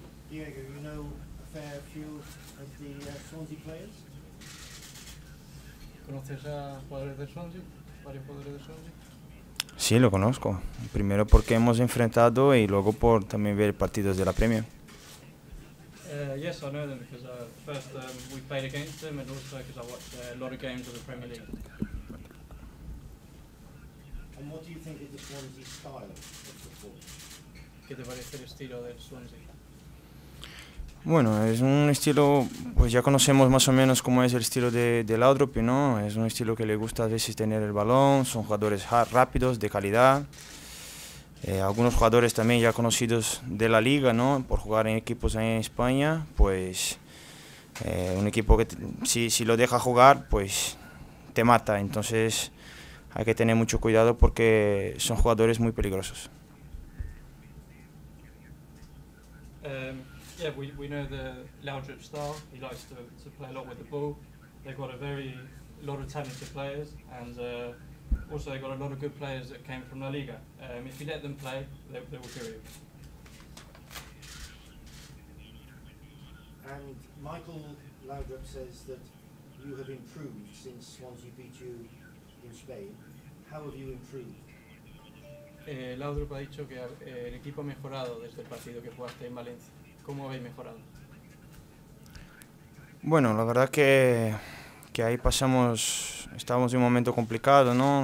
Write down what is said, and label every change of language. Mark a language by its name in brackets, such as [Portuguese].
[English] Diego, you know a fair few of the Swansea players? [Spanish] ¿Conoces a jugadores de Swansea? ¿Varios jugadores de Swansea? Sí, lo conozco. Primero porque hemos enfrentado y luego por también ver partidos de la Premier. [English] Yes, I know them because first we played against them and also because I watched a lot of games of the Premier League. And what do you think is the Swansea style of football? [Spanish] ¿Qué te parece el estilo del Swansea? Bueno, es un estilo, pues ya conocemos más o menos cómo es el estilo de Laudrup, ¿no? Es un estilo que le gusta a veces tener el balón, son jugadores rápidos, de calidad. Algunos jugadores también ya conocidos de la liga, ¿no? Por jugar en equipos ahí en España, pues un equipo que si lo deja jugar, pues te mata. Entonces hay que tener mucho cuidado porque son jugadores muy peligrosos. [English] Yeah, we know the Laudrup style. He likes to play a lot with the ball. They've got a very lot of talented players, and also they've got a lot of good players that came from La Liga. If you let them play, they will kill you. And Michael Laudrup says that you have improved since Swansea beat you in Spain. How have you improved? [Spanish] Laudrup ha dicho que el equipo ha mejorado desde el partido que jugaste en Valencia. ¿Cómo habéis mejorado? Bueno, la verdad que ahí pasamos, estábamos en un momento complicado, ¿no?